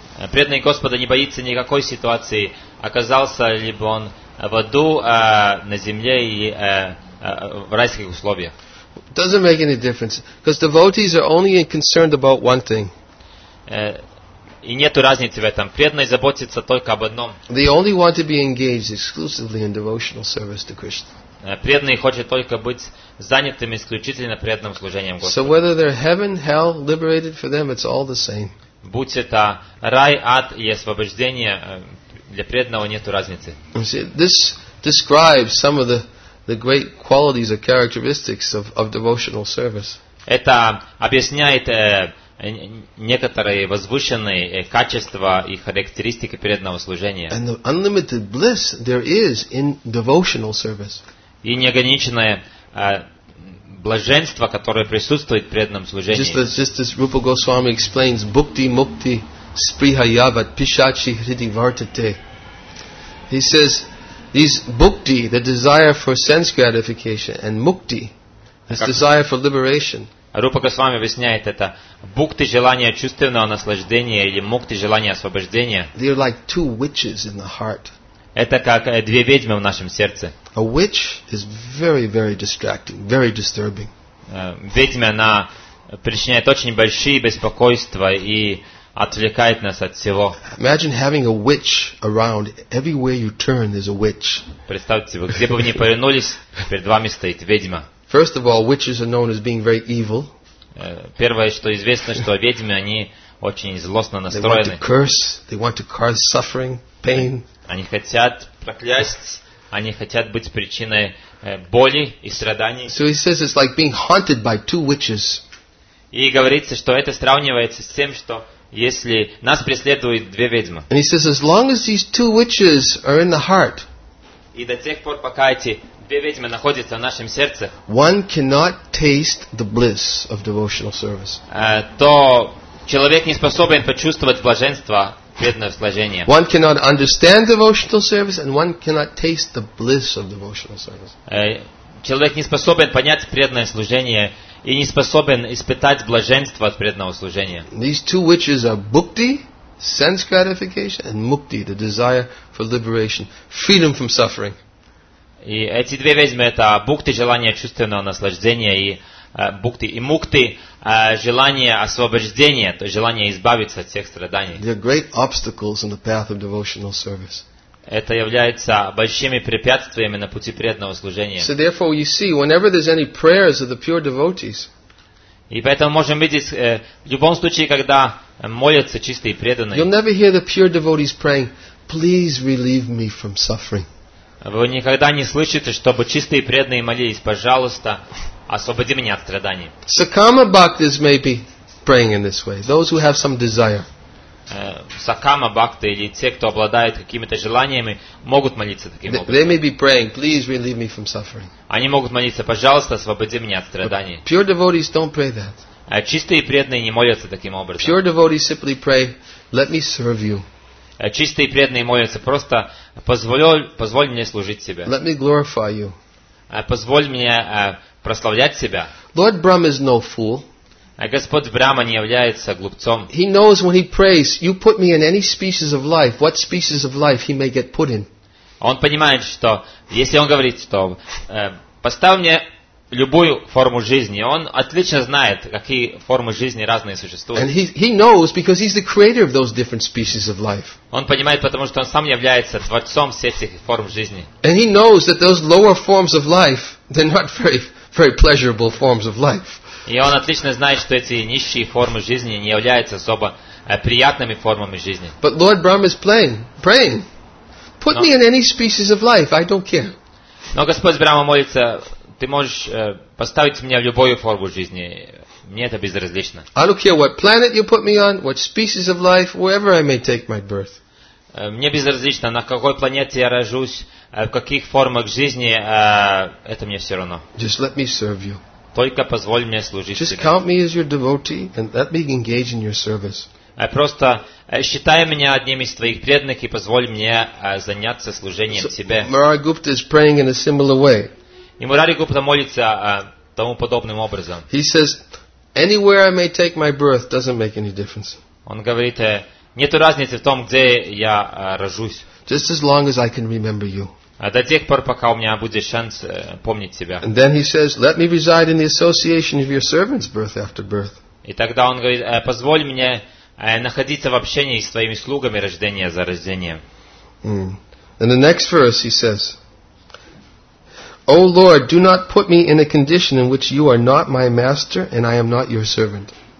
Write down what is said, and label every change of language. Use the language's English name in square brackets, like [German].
[Russian] Преданный Господа не боится никакой ситуации, оказался ли бы он в аду, на земле и в райских условиях. [English] It doesn't make any difference, because devotees are only concerned about one thing. [Russian] И нету разницы в этом. Преданный заботится только об одном. [English] They only want to be engaged exclusively in devotional service to Krishna. [Russian] Преданный хочет только быть занятым исключительно преданным служением Господу. [English] So whether they're heaven, hell, liberated for them, it's all the same. [Russian] Будь это рай, ад и освобождение, для преданного нету разницы. [English] This describes some of the great qualities or characteristics of devotional service. [Russian] Это объясняет некоторые возвышенные качества и характеристики преданного служения. [English] And the unlimited bliss there is in devotional service. [Russian] И неограниченное блаженство, которое присутствует в преданном служении. [English] Just as Rupa Goswami explains, [Sanskrit] bhukti mukti spriha yavat pishachi hriti vartate. [English] He says, these bhukti, the desire for sense gratification, and mukti, this desire for liberation. [Russian] Рупа Госвами объясняет это. Бхукти – желание чувственного наслаждения или мукти – желание освобождения. [English] They're like two witches in the heart. [Russian] Это как две ведьмы в нашем сердце. [English] A witch is very, very distracting, very disturbing. [Russian] Ведьма, она причиняет очень большие беспокойства и отвлекает нас от всего. [English] Imagine having a witch around. Everywhere you turn, there's a witch. [Russian] Представьте, где бы вы ни повернулись, перед вами стоит ведьма. [English] First of all, witches are known as being very evil. [Russian] Первое, что известно, что ведьмы, они очень злостно настроены. [English] They want to curse, they want to cause suffering, pain. [Russian] Они хотят проклясть, они хотят быть причиной боли и страданий. [English] So he says it's like being haunted by two witches. [Russian] И говорится, что это сравнивается с тем, что если нас преследуют две ведьмы. [English] And he says as long as these two witches are in the heart. [Russian] И до тех пор, пока эти две ведьмы находятся в нашем сердце. [English] One cannot taste the bliss of devotional service. [Russian] То человек не способен почувствовать блаженство преданного служения. [English] One cannot understand devotional service, and one cannot taste the bliss of devotional service. [Russian] Человек не способен понять преданное служение и не способен испытать блаженство от преданного служения. [English] These two witches are bhukti, sense gratification, and mukti, the desire for liberation, freedom from suffering. [Russian] И эти две ведьмы — это бхукти, желание чувственного наслаждения, и бхукти и мукти, желание освобождения, то есть желание избавиться от всех страданий. [English] They're great obstacles on the path of devotional service. [Russian] Это является большими препятствиями на пути преданного служения. [English] So therefore, you see, whenever there's any prayers of the pure devotees. [Russian] И поэтому можем видеть в любом случае, когда молятся чистые преданные. [English] You'll never hear the pure devotees praying, "Please relieve me from suffering." [Russian] Вы никогда не слышите, чтобы чистые преданные молились, пожалуйста, освободи меня от страданий. [English] Сакама бхактис may be praying in this way. Those who have some desire. [Russian] Сакама бхакти или те, кто обладает какими-то желаниями, могут молиться таким образом. [English] They may be praying, please relieve me from suffering. [Russian] Они могут молиться, пожалуйста, освободи меня от страданий. [English] Pure devotees don't pray that. [Russian] Чистые преданные не молятся таким образом. [English] Pure devotees simply pray, let me serve you. [Russian] Чистые преданные молятся просто, позволь мне служить тебе. [English] Let me glorify you. [Russian] Позволь мне прославлять себя. [English] Lord Brahma is no fool. [Russian] Господь Брама не является глупцом. [English] He knows when he prays, you put me in any species of life, what species of life he may get put in. [Russian] Он понимает, что если он говорит, что поставь мне любую форму жизни, он отлично знает, какие формы жизни разные существуют. [English] And he knows because he's the creator of those different species of life. [Russian] Он понимает, потому что он сам является творцом всех этих форм жизни. [English] And he knows that those lower forms of life, they're not very, very pleasurable forms of life. [Russian] И он отлично знает, что эти низшие формы жизни не являются особо приятными формами жизни. [English] But Lord Brahma is praying. Put me in any species of life, I don't care. [Russian] Но Господь Брама молится, ты можешь поставить меня в любую форму жизни, мне это безразлично. [English] I don't care what planet you put me on, what species of life, wherever I may take my birth. [Russian] Мне безразлично, на какой планете я рожусь, в каких формах жизни, это мне все равно. [English] Just let me serve you. [Russian] Только позволь мне служить тебе. [English] Just count me as your devotee and let me engage in your service. [Russian] Просто считай меня одним из твоих преданных и позволь мне заняться служением тебе. [English] Murari Gupta is praying in a similar way. [Russian] И Мурари Гупта молится тому подобным образом. [English] He says, anywhere I may take my birth doesn't make any difference. [Russian] Он говорит, нету разницы в том, где я рожусь. [English] Just as long as I can remember you. [Russian] До тех пор, пока у меня будет шанс помнить себя. [English] And then he says, let me reside in the association of your servants birth after birth. [Russian] И тогда он говорит, позволь мне находиться в общении с твоими слугами рождения за рождением. [English] And the next verse he says, O Lord, do not put me in a condition in which you are not my master and I am not your servant.